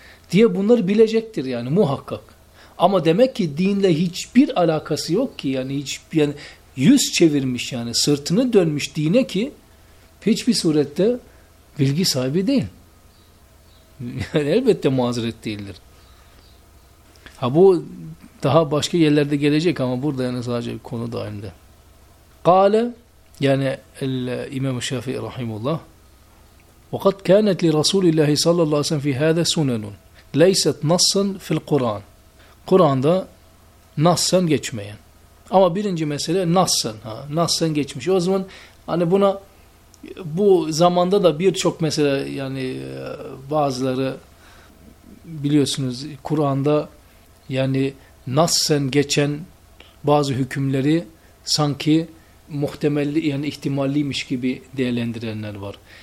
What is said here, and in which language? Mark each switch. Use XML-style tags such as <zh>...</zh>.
<tr>Diye bunları bilecektir yani muhakkak. Ama demek ki dinle hiçbir alakası yok ki yani hiç yani yüz çevirmiş yani sırtını dönmüş dine ki hiçbir surette bilgi sahibi değil. Yani elbette mazeret değildir. Ha bu daha başka yerlerde gelecek ama burada yani sadece konu dahilinde. Kale yani İmam Şafii rahimullah</tr> <ar>وقد كانت لرسول الله صلى الله عليه وسلم في هذا سنن ليست نصا في القرآن.</ar> <tr>Kur'an'da nassen geçmeyen. Ama birinci mesele nassen. Ha, nassen geçmiş. O zaman hani buna bu zamanda da birçok mesele yani bazıları biliyorsunuz Kur'an'da yani nassen geçen bazı hükümleri sanki muhtemelli yani ihtimalliymiş gibi değerlendirenler var.</tr>